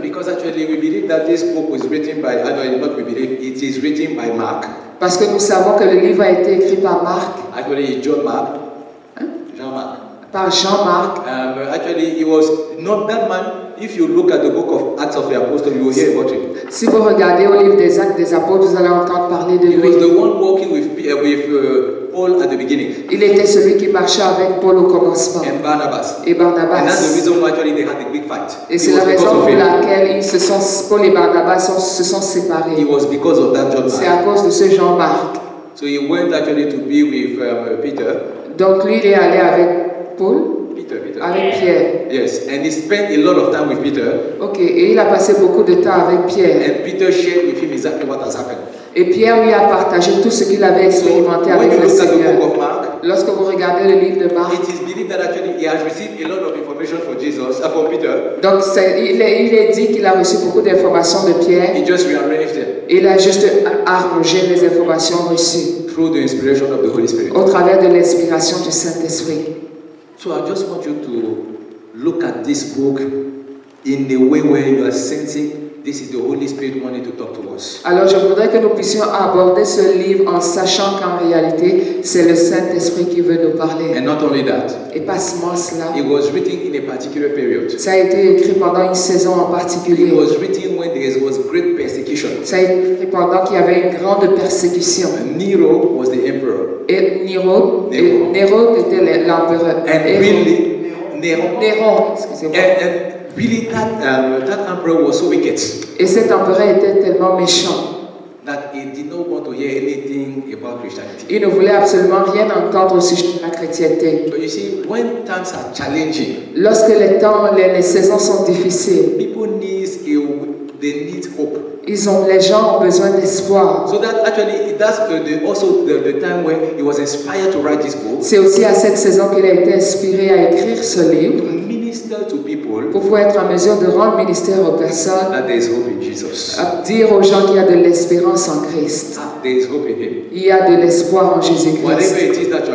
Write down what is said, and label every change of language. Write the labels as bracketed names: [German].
[English] Because actually we believe that this book was written by, I don't know, we believe it is written by Mark. [French] Parce que nous savons que le livre a été écrit par Mark. [English] Actually, John Mark. Hein? [French] Jean-Marc. Par Jean-Marc. [English] Actually, he was not that man. If you look at the book of Acts of the Apostles, you will hear about him. [French] Si vous regardez au livre des Actes des Apôtres, vous allez entendre parler de [English] he [French] lui. [English] He was the one walking with Paul at the beginning. [French] Il était celui qui marchait avec Paul au commencement. [English] And Barnabas. [French] Et Barnabas. [English] And that's the reason why actually they had a big fight. [French] Et c'est la raison pour laquelle ils se sont, Paul et Barnabas se sont séparés. [English] It was because of that John Mark. [French] C'est à cause de ce Jean-Marc. [English] So he went actually to be with Peter. [French] Donc lui, il est allé avec Paul. [English] Peter. [French] Avec Pierre. [English] Yes, and he spent a lot of time with Peter. [French] Okay, et il a passé beaucoup de temps avec Pierre. [English] And Peter shared with him exactly what has happened. [French] Et Pierre lui a partagé tout ce qu'il avait expérimenté [English] so, [French] avec le Seigneur. [English] The book of Mark, [French] lorsque vous regardez le livre de Marc, [English] it is believed that actually he has received a lot of information from Jesus, from Peter. [French] Donc il est dit qu'il a reçu beaucoup d'informations de Pierre. [English] He just rearranged them. [French] Il a juste arrangé les informations reçues. [English] Through the inspiration of the Holy Spirit. [French] Au travers de l'inspiration du Saint-Esprit. [English] So I just want you to look at this book in the way where you are sensing this is the Holy Spirit wanting to talk to us. [French] Alors, je voudrais que nous puissions aborder ce livre en sachant qu'en réalité, c'est le Saint-Esprit qui veut nous parler. [English] And not only that. [French] Et pas seulement cela. [English] It was written in a particular period. [French] Ça a été écrit pendant une saison en particulier. [English] It was written when there was great persecution. [French] Ça a été écrit pendant qu'il y avait une grande persécution. [English] Nero was the emperor. [French] Et Nero, Nero était l'empereur. [English] And really, Néron, [French] excusez-moi. [English] Really, that emperor was so wicked. [French] Et cet empereur était tellement méchant. [English] That he did not want to hear anything about Christianity. [French] Il ne voulait absolument rien entendre au sujet de la chrétienté. [English] But you see, when times are challenging, [French] lorsque les temps, les saisons sont difficiles, [English] they need hope. [French] Les gens ont besoin d'espoir. [English] So that actually, that's also the time where he was inspired to write this book. [French] C'est aussi à cette saison qu'il a été inspiré à écrire ce livre. Pour pouvoir être en mesure de rendre ministère aux personnes, à dire aux gens qu'il y a de l'espérance en Christ. Il y a de l'espoir en Jésus-Christ.